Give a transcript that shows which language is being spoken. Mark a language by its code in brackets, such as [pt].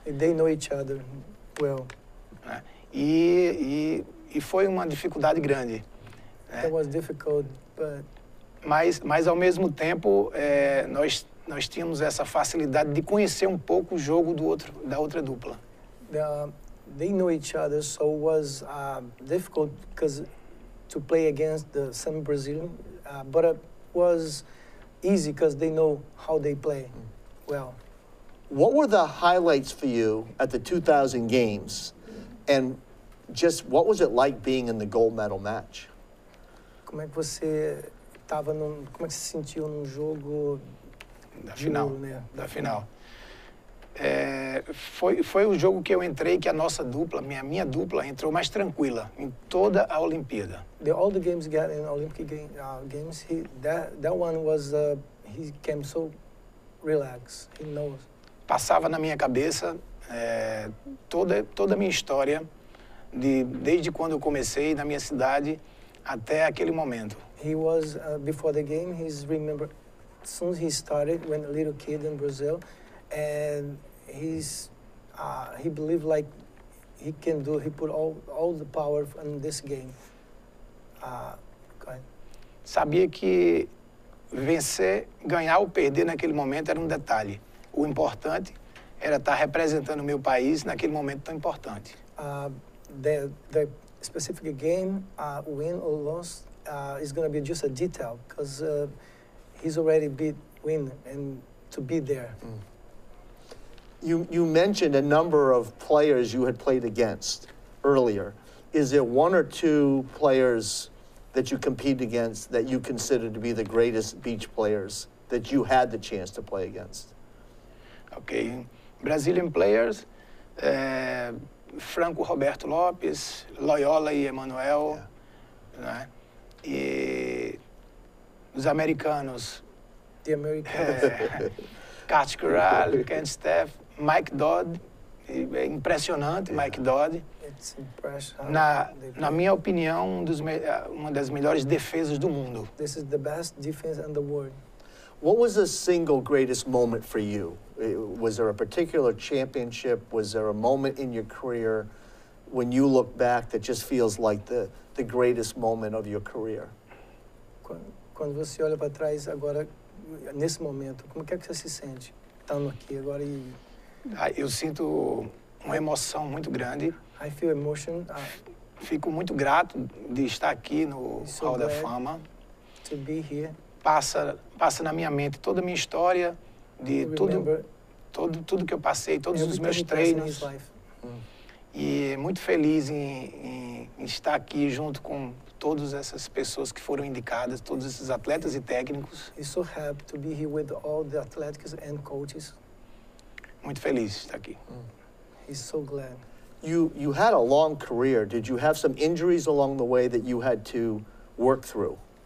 [en] And they know each other well. [pt] E foi uma dificuldade grande. [en] It was difficult, but... [pt] Mas ao mesmo tempo, nós tínhamos essa facilidade de conhecer um pouco o jogo da outra dupla. [en] They know each other, so it was difficult because to play against the some Brazilian, but it was easy because they know how they play well. What were the highlights for you at the 2000 games? And just what was it like being in the gold medal match? [pt] Como é que você tava no, como é que você se sentiu no jogo da final, né? Da final. É, foi o jogo que eu entrei que a nossa dupla, minha dupla entrou mais tranquila em toda a Olimpíada. [en] The all the games got in Olympic game, games he, that one was he came so relaxed. He knows. [pt] Passava na minha cabeça toda a minha história desde quando eu comecei na minha cidade até aquele momento. [en] He was before the game he's remember as soon as he started when a little kid in Brazil. And he believed like he can do. He put all the power in this game. Go ahead. [pt] Sabia que vencer, ganhar ou perder naquele momento era um detalhe. O importante era estar representando o meu país naquele momento tão importante. [en] The specific game, win or loss, is going to be just a detail because he's already beat win and to be there. Mm. You mentioned a number of players you had played against earlier. Is there one or two players that you competed against that you consider to be the greatest beach players that you had the chance to play against? Okay, Brazilian players, Franco Roberto Lopes, Loyola e Emmanuel, yeah. Né? [pt] E os americanos. [en] The Americans. Cat Corral, Ken Steph. Mike Dodd, [pt] impressionante, [en] yeah. Mike Dodd. It's impressive. [pt] Na minha opinião, uma das melhores defesas do mundo. [en] This is the best defense in the world. What was the single greatest moment for you? Was there a particular championship? Was there a moment in your career when you look back that just feels like the greatest moment of your career? [pt] Quando você olha para trás agora, nesse momento, como é que você se sente estando aqui agora e... Eu sinto uma emoção muito grande. [en] I feel emotion. [pt] Fico muito grato de estar aqui no Hall da Fama. [en] To be here. [pt] Passa na minha mente toda a minha história, de tudo que eu passei, todos os meus treinos. E muito feliz em estar aqui junto com todas essas pessoas que foram indicadas, todos esses atletas e técnicos. [en] I'm so happy to be here with all the athletes and coaches. [pt] Muito feliz estar aqui. [en] He's so glad. You had a long career. Did you have some injuries along the way that you had to work through?